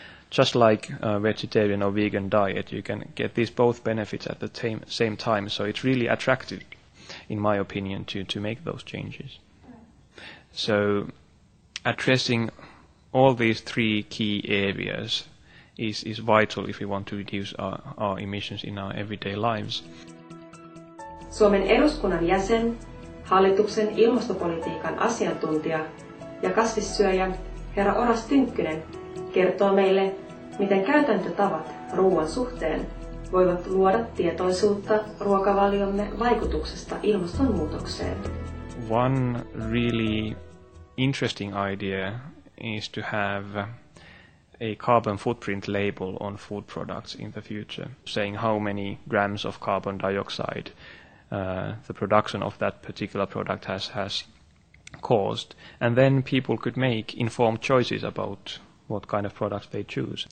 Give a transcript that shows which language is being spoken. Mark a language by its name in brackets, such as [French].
[English] Just like a vegetarian or vegan diet, you can get these both benefits at the same time, so it's really attractive, in my opinion, to make those changes. So addressing all these three key areas is vital if we want to reduce our emissions in our everyday lives. [Finnish] Suomen eduskunnan jäsen, hallituksen ilmastopolitiikan asiantuntija ja kasvissyöjä herra Oras Tynkkynen kertoo meille, miten käytäntötavat ruoan suhteen voivat luoda tietoisuutta ruokavaliomme vaikutuksesta ilmastonmuutokseen. [English] One really interesting idea is to have a carbon footprint label on food products in the future, saying how many grams of carbon dioxide the production of that particular product has caused, and then people could make informed choices about what kind of products they choose.